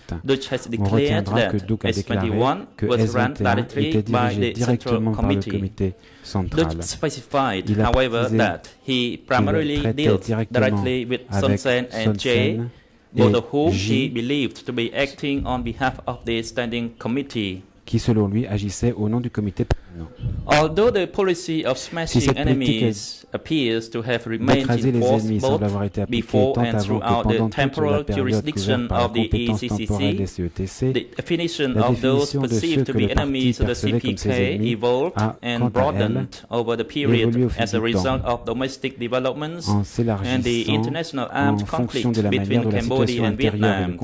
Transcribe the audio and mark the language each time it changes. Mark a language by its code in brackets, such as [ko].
[en] Dutch has declared that S21 was run directly by the Central Committee. Dutch specified, however, that he primarily dealt directly with Son Sen and Jay, both of whom he believed to be acting on behalf of the Standing Committee. [fr] Qui selon lui agissait au nom du comité permanent. [en] Although the policy of smashing enemies appears to have remained in force both before and throughout the temporal jurisdiction of the ECCC, the definition of those perceived to be enemies of the CPK evolved and broadened over the period as a result of domestic developments and the international armed conflict between Cambodia and Vietnam.